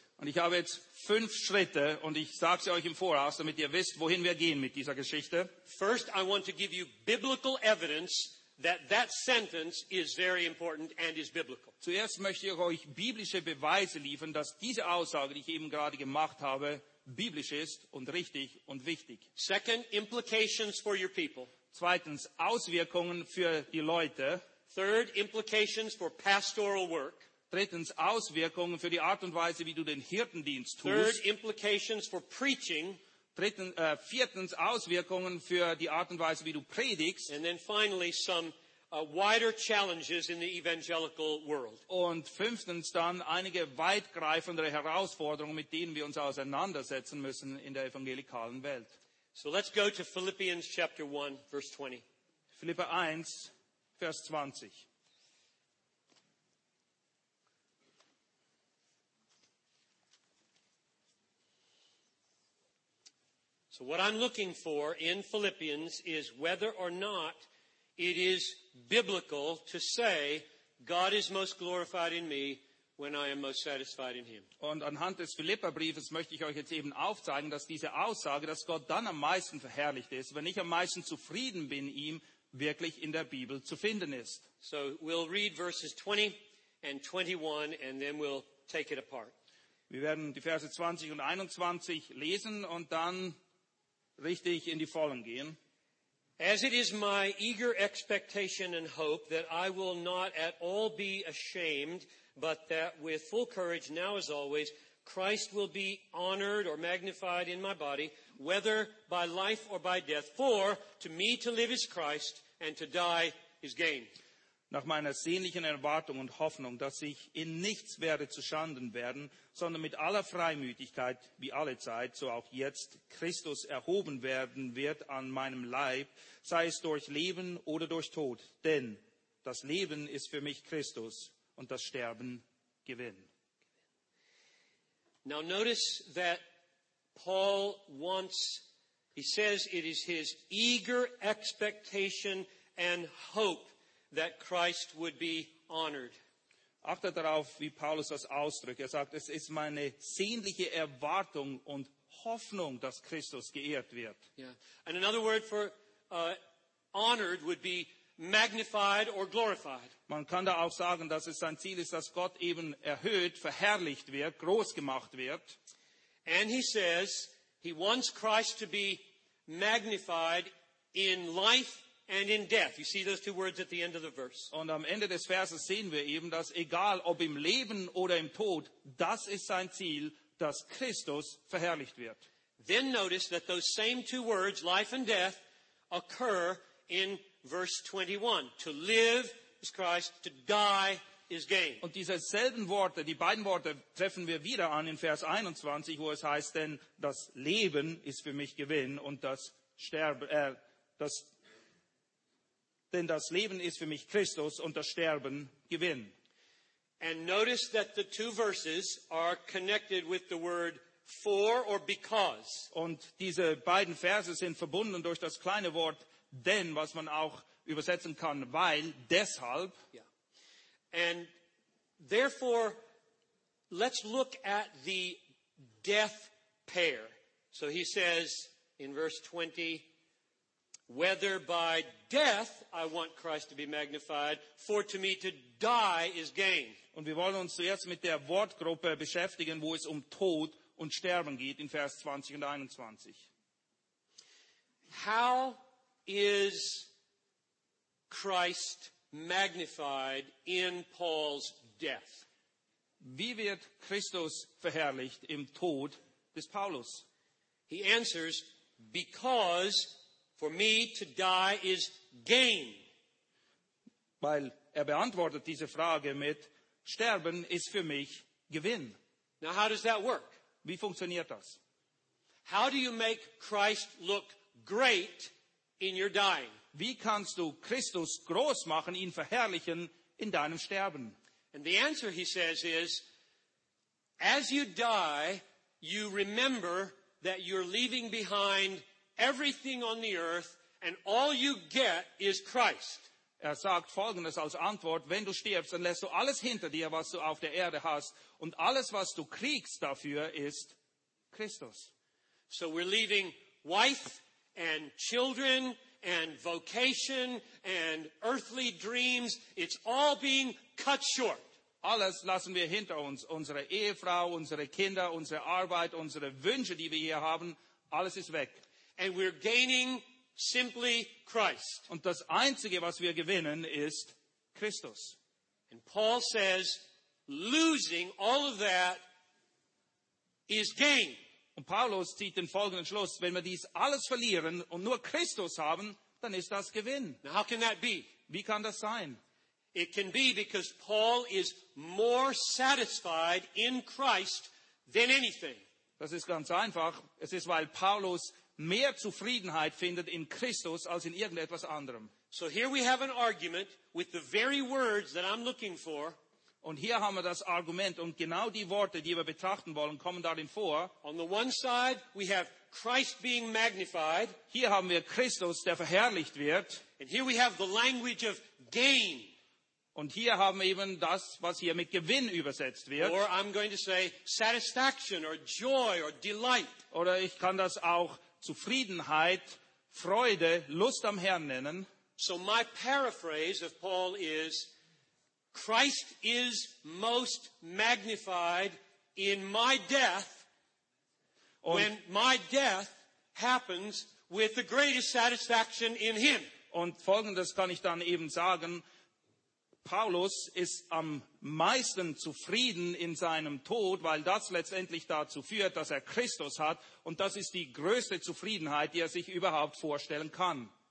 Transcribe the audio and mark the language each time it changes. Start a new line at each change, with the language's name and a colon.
German: Und ich habe jetzt fünf Schritte und ich sage sie euch im Voraus, damit ihr wisst, wohin wir gehen mit dieser Geschichte.
English: First, I want to give you biblical evidence that that sentence is very important and is biblical.
German: Zuerst möchte ich euch biblische Beweise liefern, dass diese Aussage, die ich eben gerade gemacht habe, biblisch ist und richtig und wichtig.
English: Second, implications for your people.
German: Zweitens, Auswirkungen für die Leute.
English: Third, implications for pastoral work.
German: Drittens, Auswirkungen für die Art und Weise, wie du den Hirtendienst tust.
English: Third, implications for preaching.
German: Viertens, Auswirkungen für die Art und Weise, wie du predigst.
English: And then finally, some wider challenges in the evangelical world.
German: Und fünftens dann einige weitgreifendere Herausforderungen, mit denen wir uns auseinandersetzen müssen in der evangelikalen Welt.
English: So let's go to Philippians chapter 1, verse 20.
German: Philipper 1, Vers 20.
English: So what I'm looking for in Philippians is whether or not it is biblical to say God is most glorified in me when I am most satisfied in him.
German: Und anhand des Philipperbriefes möchte ich euch jetzt eben aufzeigen, dass diese Aussage, dass Gott dann am meisten verherrlicht ist, wenn ich am meisten zufrieden bin, ihm wirklich in der Bibel zu finden ist.
English: So we'll read verses 20 and 21 and then we'll take it apart.
German: Wir werden die Verse 20 und 21 lesen und dann richtig in die Vollen gehen.
English: As it is my eager expectation and hope that I will not at all be ashamed, but that with full courage now as always, Christ will be honored or magnified in my body, whether by life or by death. For to me to live is Christ and to die is gain.
German: Nach meiner sehnlichen Erwartung und Hoffnung, dass ich in nichts werde zu Schanden werden, sondern mit aller Freimütigkeit, wie alle Zeit, so auch jetzt Christus erhoben werden wird an meinem Leib, sei es durch Leben oder durch Tod. Denn das Leben ist für mich Christus und das Sterben Gewinn.
English: Now notice that Paul wants, he says it is his eager expectation and hope that Christ would be honored.
German: Achtet darauf, wie Paulus das ausdrückt. Er sagt, es ist meine sehnliche Erwartung und Hoffnung, dass Christus geehrt wird. Yeah.
English: And another word for honored would be magnified or glorified.
German: Man kann da auch sagen, dass es sein Ziel ist, dass Gott eben erhöht, verherrlicht wird, groß gemacht wird.
English: And he says, he wants Christ to be magnified in life and in death. You see those two words at the end of the verse.
German: Und am Ende des Verses sehen wir eben, dass egal ob im Leben oder im Tod, das ist sein Ziel, dass Christus verherrlicht wird.
English: Then notice that those same two words, life and death, occur in verse 21. To live is Christ, to die is gain.
German: Und diese selben Worte, die beiden Worte, treffen wir wieder an in Vers 21, wo es heißt, denn das Leben ist für mich Gewinn und das Sterben, das denn das Leben ist für mich Christus und das Sterben Gewinn.
English: And notice that the two verses are connected with the word for or because.
German: Und diese beiden Verse sind verbunden durch das kleine Wort denn, was man auch übersetzen kann, weil, deshalb. Yeah.
English: And therefore, let's look at the death pair. So he says in verse 20, Whether by death I want Christ to be magnified, for to me to die is gain.
German: Und wir wollen uns zuerst mit der Wortgruppe beschäftigen, wo es um Tod und Sterben geht, in Vers 20 und 21.
English: How is Christ magnified in Paul's death?
German: Wie wird Christus verherrlicht im Tod des Paulus?
English: He answers, because for me to die is gain.
German: Weil er beantwortet diese Frage mit, Sterben ist für mich Gewinn.
English: Now how does that work?
German: Wie funktioniert das?
English: How do you make Christ look great in your dying?
German: Wie kannst du Christus groß machen, ihn verherrlichen in deinem Sterben?
English: And the answer, he says, is, as you die, you remember that you're leaving behind everything on the earth, and all you get is Christ.
German: Er sagt Folgendes als Antwort, wenn du stirbst, dann lässt du alles hinter dir, was du auf der Erde hast, und alles, was du kriegst dafür, ist Christus.
English: So we're leaving wife and children and vocation and earthly dreams. It's all being cut short.
German: Alles lassen wir hinter uns. Unsere Ehefrau, unsere Kinder, unsere Arbeit, unsere Wünsche, die wir hier haben, alles ist weg.
English: And we're gaining simply Christ.
German: Und das Einzige, was wir gewinnen, ist Christus.
English: And Paul says, losing all of that is gain.
German: Und Paulus zieht den folgenden Schluss, wenn wir dies alles verlieren und nur Christus haben, dann ist das Gewinn.
English: Now how can that be?
German: Wie kann das sein?
English: It can be because Paul is more satisfied in Christ than anything.
German: Das ist ganz einfach. Es ist, weil Paulus mehr Zufriedenheit findet in Christus als in irgendetwas anderem.
English: So here we have an argument with the very words that I'm looking for.
German: Und hier haben wir das Argument und genau die Worte, die wir betrachten wollen, kommen darin vor.
English: On the one side we have Christ being magnified.
German: Hier haben wir Christus, der verherrlicht wird.
English: And here we have the language of gain.
German: Und hier haben wir eben das, was hier mit Gewinn übersetzt wird.
English: Or I'm going to say satisfaction or joy or delight.
German: Oder ich kann das auch Zufriedenheit, Freude, Lust am Herrn nennen.
English: So my paraphrase of Paul is, Christ is most magnified in my death, when my death happens with the greatest satisfaction in him.
German: Und Folgendes kann ich dann eben sagen. Paulus ist am meisten zufrieden in seinem Tod, weil das letztendlich dazu führt, dass er Christus hat. Und das ist die größte Zufriedenheit, die er sich überhaupt vorstellen kann.